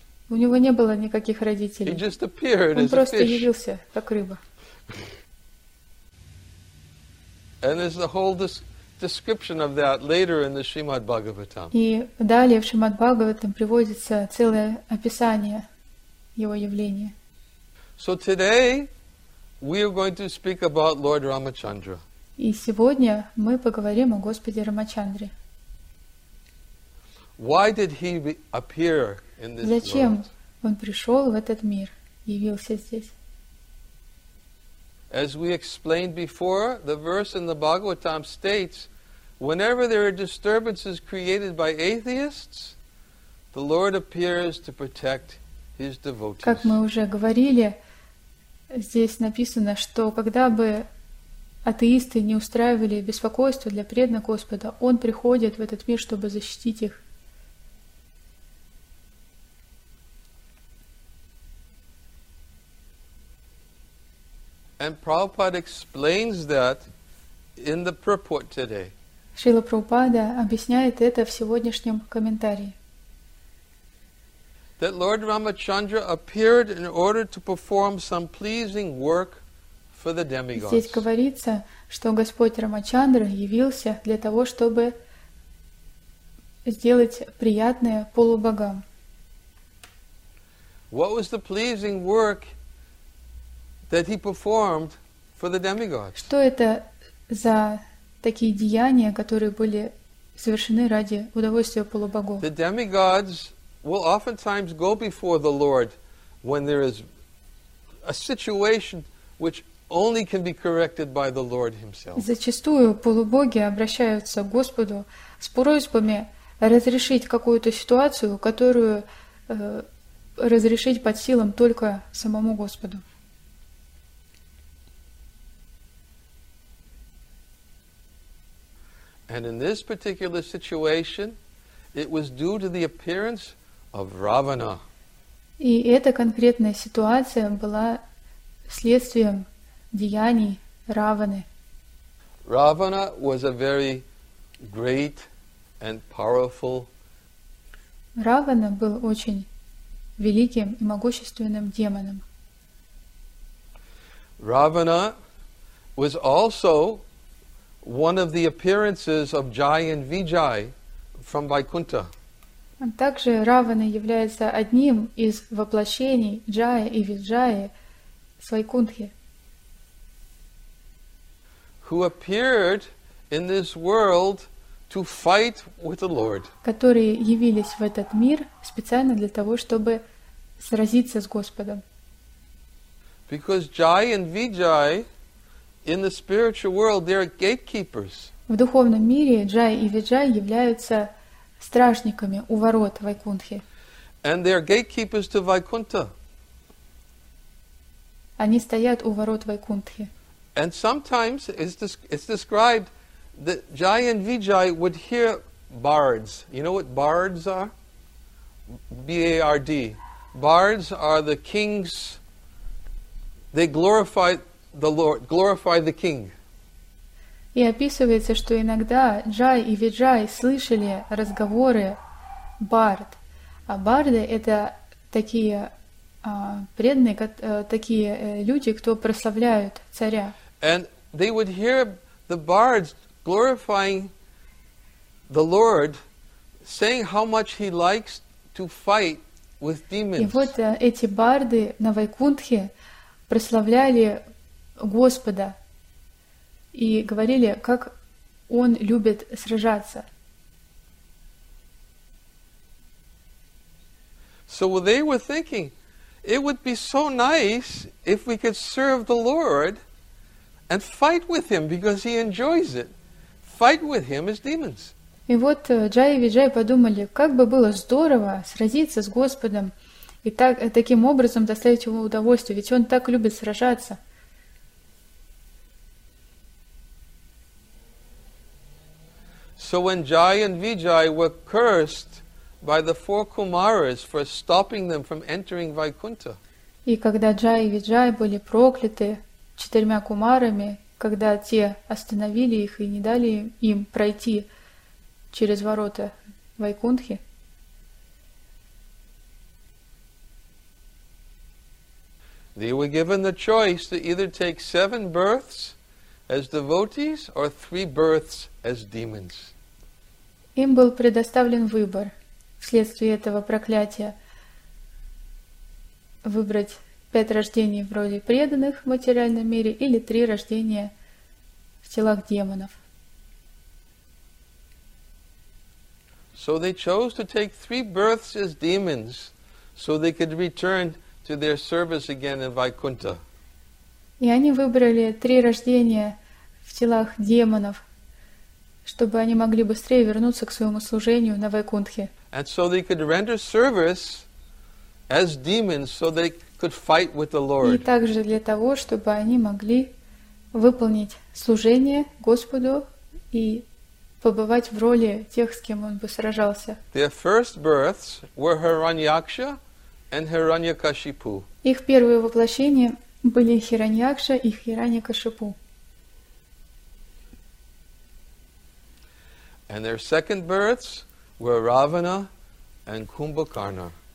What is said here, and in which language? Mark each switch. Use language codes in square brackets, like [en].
[ru] У него не было никаких родителей. [en] He just appeared as a fish. [ru] Он просто явился, как рыба. [en] And there's a whole description of that later in the Shrimad Bhagavatam. [ru] И далее в Шримад Бхагаватам приводится целое описание его явления. [en] So today we are going to speak about Lord Ramachandra. [ru] И сегодня мы поговорим о Господе Рамачандре. [en] Why did he appear in this [ru] Зачем [en] world? [ru] Он пришел в этот мир, явился здесь? [en] As we explained before, the verse in the Bhagavatam states, whenever there are disturbances created by atheists, the Lord appears to protect His devotees. [ru] Как мы уже говорили, здесь написано, что когда бы атеисты не устраивали беспокойство для преданных Господа, Он приходит в этот мир, чтобы защитить их. [en] And Prabhupada explains that in the purport today. [ru] Шрила Прабхупада объясняет это в сегодняшнем комментарии. [en] That Lord Ramachandra appeared in order to perform some pleasing work for the demigods. [ru] Здесь говорится, что Господь Рамачандра явился для того, чтобы сделать приятное полубогам. [en] What was the pleasing work that he performed for the demigods? [ru] Что это за такие деяния, которые были совершены ради удовольствия полубогов? [en] The demigods will oftentimes go before the Lord when there is a situation which only can be corrected by the Lord himself. [ru] Зачастую полубоги обращаются к Господу с просьбами разрешить какую-то ситуацию, которую разрешить под силам только самому Господу. [en] And in this particular situation, it was due to the appearance of Ravana. [ru] И эта конкретная ситуация была следствием деяний Раваны. [en] Ravana was a very great and powerful. [ru] Равана был очень великим и могущественным демоном. [en] Ravana was also one of the appearances of Jai and Vijay from Vaikuntha. [ru] Также Равана является одним из воплощений Джая и Виджая с Вайкунтхи. [en] Who appeared in this world to fight with the Lord. [ru] Которые явились в этот мир специально для того, чтобы сразиться с Господом. [en] Because Jai and Vijay in the spiritual world, they are gatekeepers. [ru] В духовном мире Джай и Виджай являются стражниками у ворот Вайкунтхи. [en] And they are gatekeepers to Vaikuntha. [ru] Они стоят у ворот Вайкунтхи. [en] And sometimes it's described that Jai and Vijay would hear bards. You know what bards are? B-A-R-D. Bards are the kings. They glorify the Lord, glorify the king. [ru] И описывается, что иногда Джай и Виджай слышали разговоры бард. А барды — это такие преданные, такие люди, кто прославляют царя. [en] And they would hear the bards glorifying the Lord, saying how much he likes to fight with demons. [ru] И вот эти барды на Вайкунтхе прославляли Господа и говорили, как он любит сражаться. [en] So they were thinking, it would be so nice if we could serve the Lord and fight with him because he enjoys it. Fight with him as demons. [ru] И вот Джай и Виджай подумали, как бы было здорово сразиться с Господом и так, таким образом доставить ему удовольствие, ведь он так любит сражаться. [en] So when Jai and Vijay were cursed by the four Kumaras for stopping them from entering Vaikuntha. [ru] И когда Джай и Виджай были прокляты четырьмя кумарами, когда те остановили их и не дали им пройти через ворота Вайкунтхи. [en] They were given the choice to either take 7 births as devotees or 3 births as demons. [ru] Им был предоставлен выбор вследствие этого проклятия выбрать 5 рождений вроде преданных в материальном мире или 3 рождения в телах демонов. [en] So they chose to take 3 births as demons so they could return to their service again in Vaikuntha. [ru] И они выбрали 3 рождения в телах демонов, чтобы они могли быстрее вернуться к своему служению на Вайкунтхе. [en] And so they could render service as demons so they could fight with the Lord. [ru] И также для того, чтобы они могли выполнить служение Господу и побывать в роли тех, с кем он бы сражался. [en] Their first births were Hiranyaksha and Hiranyakashipu. [ru] Их первые воплощения были Хираньякша и Хираньякашипу. [en] And their second births were Ravana and Kumbhakarna.